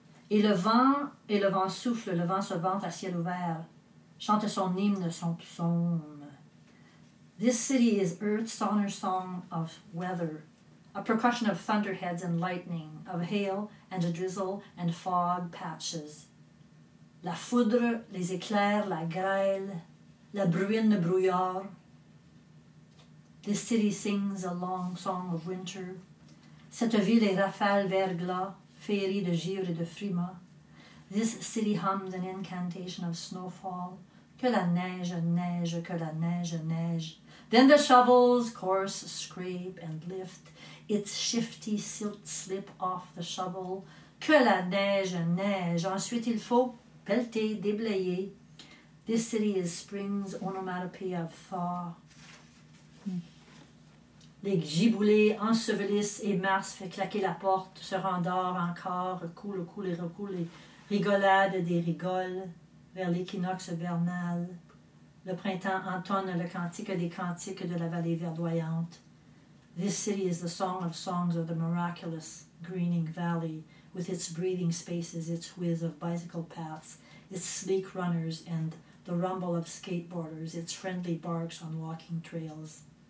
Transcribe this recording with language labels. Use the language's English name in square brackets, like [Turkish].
[French] Et le vent souffle, le vent se vante à ciel ouvert, chante son hymne, son psaume. [English] This city is earth's sonor song of weather, a percussion of thunderheads and lightning, of hail and a drizzle and fog patches. [French] La foudre, les éclairs, la grêle, la bruine, le brouillard. [English] This city sings a long song of winter. [French] Cette ville est rafale verglas, féerie de givre et de frima. [English] This city hums an incantation of snowfall. [French] Que la neige neige, que la neige neige. [English] Then the shovels coarse scrape and lift. Its shifty silt slip off the shovel. [French] Que la neige neige. Ensuite il faut pelleter, déblayer. [English] This city is spring's onomatopoeia of thaw. [French] Les giboulées ensevelissent et Mars fait claquer la porte, se rendort encore, coule, coule et recoule, et rigolade des rigoles vers l'équinoxe vernal. Le printemps entonne le cantique des cantiques de la vallée verdoyante. [English] This city is the song of songs of the miraculous greening valley, with its breathing spaces, its whiz of bicycle paths, its sleek runners and the rumble of skateboarders, its friendly barks on walking trails.